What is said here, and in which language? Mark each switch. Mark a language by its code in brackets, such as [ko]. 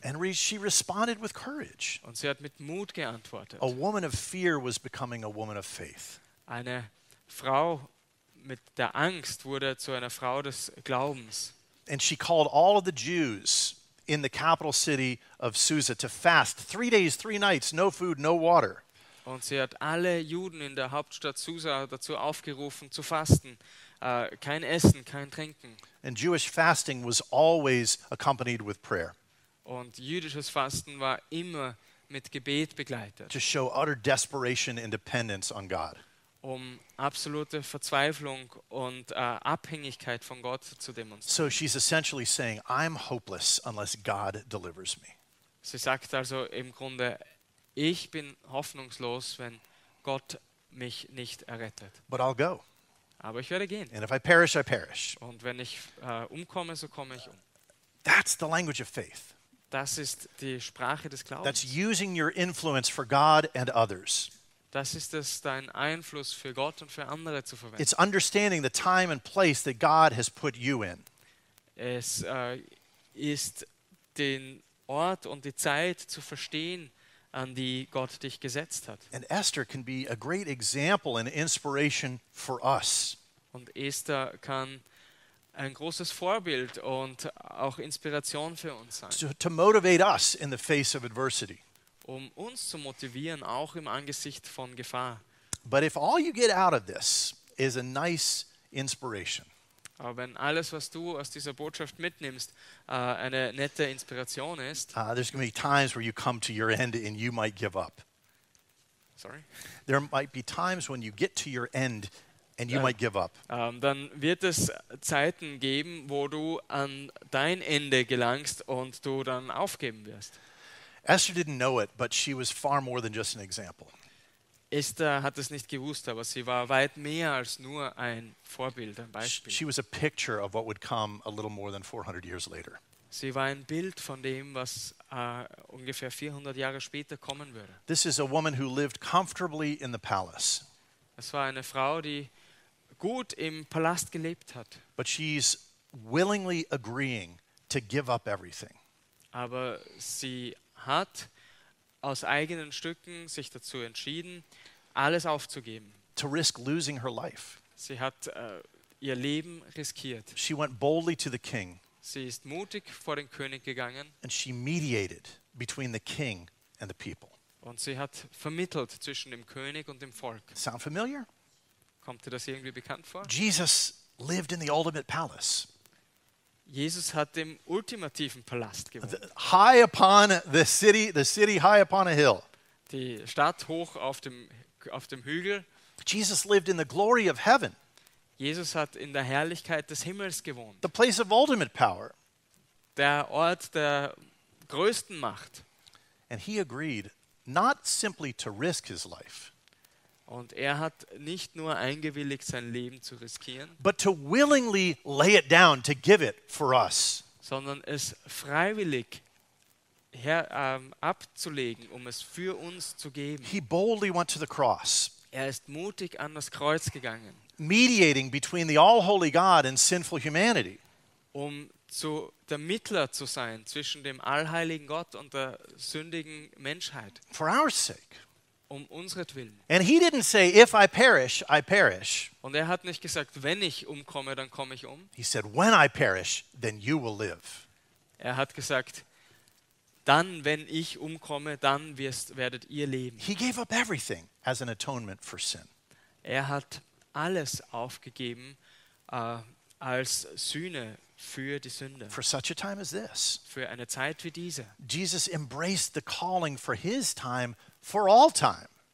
[en] And she responded with courage. [de] Und sie hat mit Mut geantwortet. [en] A woman of fear was becoming a woman of faith. [de] Eine Frau mit der Angst wurde zu einer Frau des Glaubens. [en] And she called all of the Jews in the capital city of Susa to fast 3 days, 3 nights, no food, no water. [de] Und sie hat alle Juden in der Hauptstadt Susa dazu aufgerufen zu fasten, kein Essen, kein Trinken. [en] And Jewish fasting was always accompanied with prayer. [de] Und jüdisches Fasten war immer mit Gebet begleitet. [en] To show utter desperation and dependence on God. [de] Um absolute Verzweiflung und Abhängigkeit von Gott zu demonstrieren. [en] So she's essentially saying, I'm hopeless unless God delivers me. [de] Sie sagt also im Grunde, ich bin hoffnungslos, wenn Gott mich nicht errettet. [en] But I'll go. [de] Aber ich werde gehen. [en] And if I perish, I perish. [de] Und wenn ich umkomme, so komme ich um. [en] That's the language of faith. [de] Das ist die Sprache des Glaubens. [en] That's using your influence for God and others. [de] Das ist es, dein Einfluss für Gott und für andere zu verwenden. [en] It's understanding the time and place that God has put you in. [de] Es ist den Ort und die Zeit zu verstehen, an die Gott dich gesetzt hat. [en] And Esther can be a great example and inspiration for us. [de] Und Esther kann ein großes Vorbild und auch Inspiration für uns sein. [en] To motivate us in the face of adversity. [de] Um uns zu motivieren, auch im Angesicht von Gefahr. [en] But if all you get out of this is a nice inspiration. [de] Aber wenn alles, was du aus dieser Botschaft mitnimmst, eine nette Inspiration ist. [en] There's going to be times where you come to your end and you might give up. Sorry? There might be times when you get to your end And you might give up. [de] Dann wird es Zeiten geben, wo du an dein Ende gelangst und du dann aufgeben wirst. [en] Esther didn't know it, but she was far more than just an example. [de] Esther hat es nicht gewusst, aber sie war weit mehr als nur ein Vorbild, ein Beispiel. [en] She was a picture of what would come a little more than 400 years later. [de] Sie war ein Bild von dem, was ungefähr 400 Jahre später kommen würde. [en] This is a woman who lived comfortably in the palace. [de] Es war eine Frau, die gut im Palast gelebt hat. [en] But she's willingly agreeing to give up everything. [de] Aber sie hat aus eigenen Stücken sich dazu entschieden, alles aufzugeben. [en] To risk losing her life. [de] Sie hat ihr Leben riskiert. [en] She went boldly to the king. [de] Sie ist mutig vor den König gegangen. [en] And she mediated between the king and the people. [de] Und sie hat vermittelt zwischen dem König und dem Volk. [en] Sound familiar? [de] Kommt dir das irgendwie bekannt vor? [en] Jesus lived in the ultimate palace. [de] Jesus hat im ultimativen Palast gewohnt. [en] High upon the city high upon a hill. [de] Die Stadt hoch auf dem Hügel. [en] Jesus lived in the glory of heaven. [de] Jesus hat in der Herrlichkeit des Himmels gewohnt. [en] The place of ultimate power. [de] Der Ort der größten Macht. [en] And he agreed not simply to risk his life. [de] Und er hat nicht nur eingewilligt, sein Leben zu riskieren, [en] but to willingly lay it down to give it for us. [de] Sondern es freiwillig abzulegen, um es für uns zu geben. [en] He boldly went to the cross. [de] Er ist mutig an das Kreuz gegangen. [en] Mediating between the all-holy God and sinful humanity. [de] Um zu der Mittler zu sein zwischen dem allheiligen Gott und der sündigen Menschheit. [en] For our sake. [de] Um unsertwillen. [en] And he didn't say, if I perish, I perish. [de] Und er hat nicht gesagt, wenn ich umkomme, dann komme ich um. [en] He said, when I perish, then you will live. [de] Er hat gesagt, dann, wenn ich umkomme, dann werdet ihr leben. [en] He gave up everything as an atonement for sin. [de] Er hat alles aufgegeben als Sühne für die Sünde. [en] For such a time as this. [de] Für eine Zeit wie diese. [en] Jesus embraced the calling for his time for all time.